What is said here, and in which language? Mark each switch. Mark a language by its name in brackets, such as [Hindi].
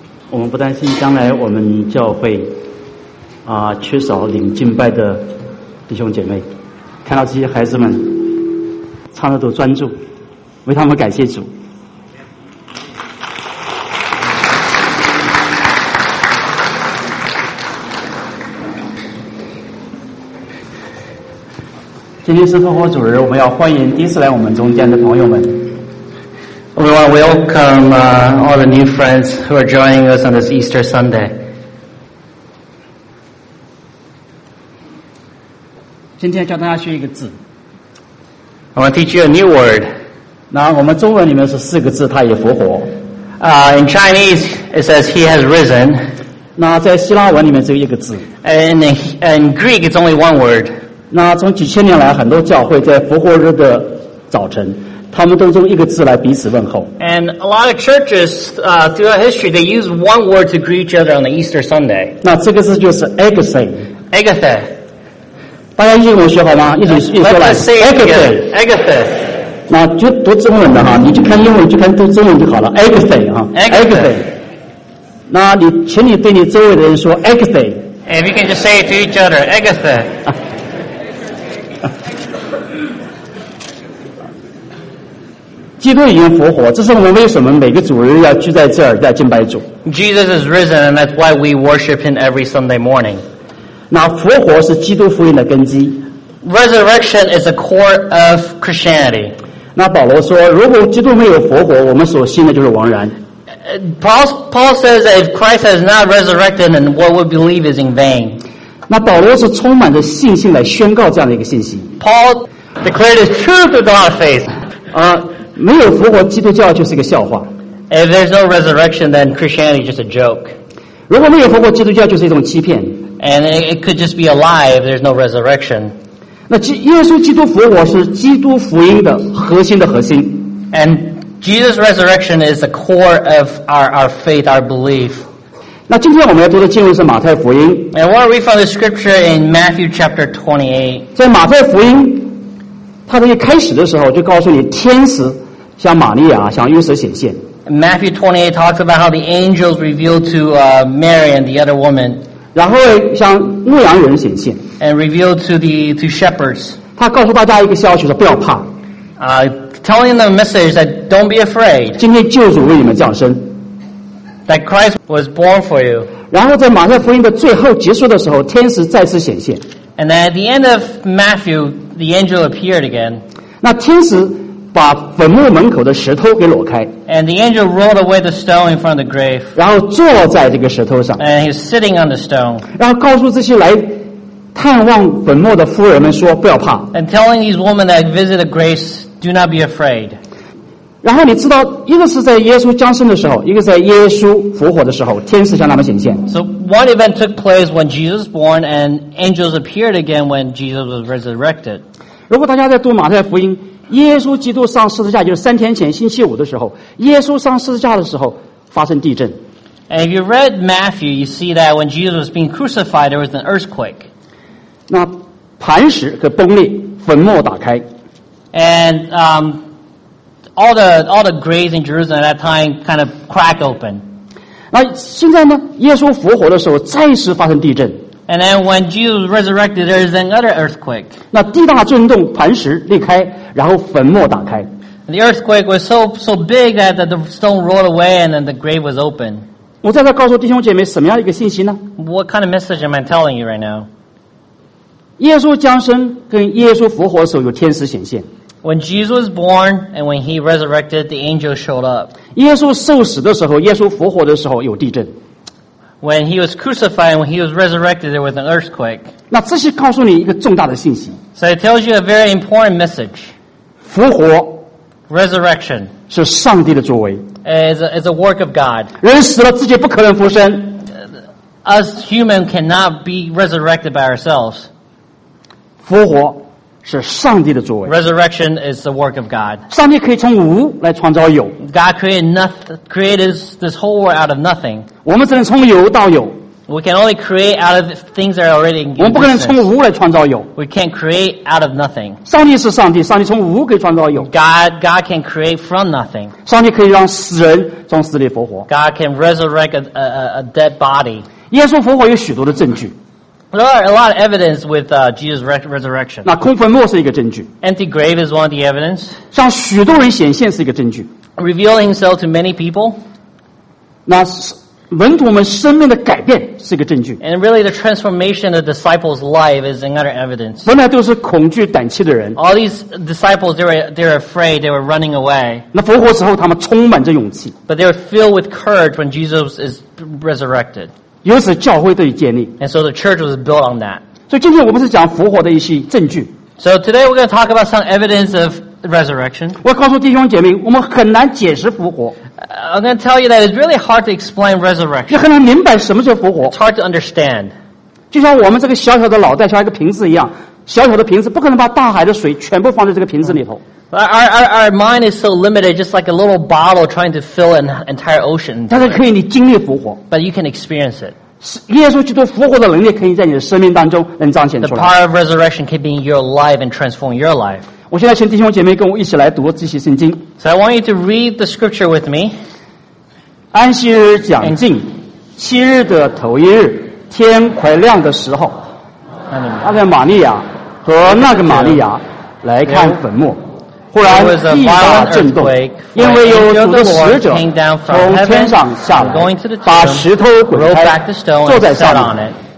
[Chinese] 我们不担心将来我们教会啊缺少领敬拜的弟兄姐妹，看到这些孩子们唱得多专注，为他们感谢主。今天是复活主日，我们要欢迎第一次来我们中间的朋友们。 [English] We want to welcome all the new friends who are joining us on this Easter Sunday. [Chinese] 今天教大家学一个字。 [English] I want to teach you a new word. [Chinese] 那我们中文里面是四个字，他也复活。 [English] In Chinese, it says he has risen. [Chinese] 那在希腊文里面只有一个字。 [English] And in Greek, it's only one word. [Chinese] 那从几千年来，很多教会在复活日的早晨。他们都用一个字来彼此问候。 [English] And a lot of churches, throughout history, they use one word to greet each other on the Easter Sunday. [Chinese] 那这个字就是 Agathe. [Greek] Agathe. [Chinese] 大家英文学好吗？一起说来。 [Greek] Agathe. Agathe. [Chinese] 那就读中文的哈，你就看英文，就看读中文就好了。 [Greek] Agathe 啊 ，Agathe. [Chinese] 那你，请你对你周围的人说 Agathe. [English] If you can just say it to each other, Agathe. [Chinese] 基督已经复活，这是我们为什么每个主日要聚在这儿在敬拜主。 [English] Jesus is risen, and that's why we worship him every Sunday morning. [Chinese] 那复活是基督福音的根基。 [English] Resurrection is the core of Christianity. [Chinese] 那保罗说，如果基督没有复活，我们所信的就是枉然。 [English] Paul says that if Christ has not resurrected, then what we believe is in vain. [Chinese] 那保罗是充满着信心来宣告这样的一个信息。 [English] Paul declared his truth with a lot of faith. [Chinese] 没有复活，基督教就是一个笑话。 [English] If there's no resurrection, then Christianity is just a joke. [Chinese] 如果没有复活，基督教就是一种欺骗。 [English] And it could just be a lie if there's no resurrection. [Chinese] 那耶稣基督复活是基督福音的核心的核心。 [English] And Jesus' resurrection is the core of our faith, our belief. [Chinese] 那今天我们要读的经文是马太福音。 [English] And what are we from the scripture in Matthew chapter 28? [Chinese] 在马太福音他在一开始的时候就告诉你，天使向玛利亚、向约瑟显现。 [English] Matthew 28 talks about how the angels revealed to Mary and the other woman. [Chinese] 然后向牧羊人显现。 [English] And revealed to shepherds. [Chinese] 他告诉大家一个消息，说不要怕。 [English] Telling them a message that don't be afraid. [Chinese] 今天救主为你们降生。 [English] That Christ was born for you. [Chinese] 然后在马太福音的最后结束的时候，天使再次显现。 [English] And then at the end of Matthew, the angel appeared again. [Chinese] 那天使把坟墓门口的石头给挪开。 [English] And the angel rolled away the stone in front of the grave. [Chinese] 然后坐在这个石头上。 [English] And he's sitting on the stone. [Chinese] 然后告诉这些来探望坟墓的妇人们说，不要怕。 [English] And telling these women that visit the grave, do not be afraid. [Chinese] 然后你知道，一个是在耶稣降生的时候，一个在耶稣复活的时候，天使向他们显现。 [English] So one event took place when Jesus was born, and angels appeared again when Jesus was resurrected. [Chinese] 如果大家在读马太福音，耶稣基督上十字架就是三天前星期五的时候，耶稣上十字架的时候发生地震。 [English] And if you read Matthew, you see that when Jesus was being crucified, there was an earthquake. [Chinese] 那磐石可崩裂，坟墓打开。 [English] And all the graves in Jerusalem at that time kind of crack open. [Chinese] 那现在呢？耶稣复活的时候，再次发生地震。 [English] And then when Jesus resurrected, there is another earthquake. [Chinese] 那地大震动，磐石裂开，然后坟墓打开。 [English] And the earthquake was so big that the stone rolled away, and then the grave was open. [Chinese] 我在这告诉弟兄姐妹什么样一个信息呢 [English] ？What kind of message am I telling you right now? [Chinese] 耶稣降生跟耶稣复活的时候，有天使显现。 [English] When Jesus was born and when he resurrected, the angel showed up. [Chinese] 耶稣受死的时候，耶稣复活的时候有地震。 [English] When he was crucified and when he was resurrected, there was an earthquake. [Chinese] 那这些告诉你一个重大的信息。 [English] So it tells you a very important message. [Chinese] 复活 [English] resurrection [Chinese] 是上帝的作为。 [English] It's a work of God. [Chinese] 人死了自己不可能复生。 [English] Us human cannot be resurrected by ourselves. [Chinese] 复活是上帝的作为。 [English] Resurrection is the work of God. [Chinese] 上帝可以从无来创造有。 [English] God created this whole world out of nothing. [Chinese] 我们只能从有到有。 [English] We can only create out of things that are already existing. [Chinese] 我们不可能从无来创造有。 [English] We can't create out of nothing. [Chinese] 上帝是上帝，上帝从无可以创造有。 [English] God can create from nothing. [Chinese] 上帝可以让死人从死里复活。 [English] God can resurrect a dead body. [Chinese] 耶稣复活有许多的证据。 [English] There are a lot of evidence with Jesus' resurrection. [Chinese] 那空坟墓是一个证据。 [English] Empty grave is one of the evidence. [Chinese] 向许多人显现是一个证据。 [English] Revealing himself to many people. [Chinese] 那是。门徒们生命的改变是一个证据。 [English] And really, the transformation of disciples' life is another evidence. [Chinese] 本来都是恐惧胆怯的人。 [English] All these disciples, they were afraid, they were running away. [Chinese] 那复活时候，他们充满着勇气。 [English] But they were filled with courage when Jesus is resurrected. [Chinese] 由此教会得以建立。 [English] And so the church was built on that. [Chinese] 所以今天我们是讲复活的一些证据。 [English] So today we're going to talk about some evidence of resurrection. [Chinese] 我告诉弟兄姐妹，我们很难解释复活。 [English] I'm going to tell you that it's really hard to explain resurrection. [Chinese] 你很难明白什么叫复活。 [English] It's hard to understand. [Chinese] 就像我们这个小小的脑袋像一个瓶子一样，小小的瓶子不可能把大海的水全部放在这个瓶子里头。 [English] Our mind is so limited, just like a little bottle trying to fill an entire ocean. [Chinese] 但是可以你经历复活。 [English] But you can experience it. [Chinese] 耶稣基督复活的能力可以在你的生命当中能彰显出来。 [English] The power of resurrection can be in your life and transform your life. [Chinese] 我现在请弟兄姐妹跟我一起来读这些圣经。 [English] So I want you to read the scripture with me. [Chinese] 安息日讲尽，七日的头一日，天快亮的时候，那个玛利亚和那个玛利亚来看坟墓，忽然地大震动，因为有主的使者从天上下来，把石头滚开，坐在上面。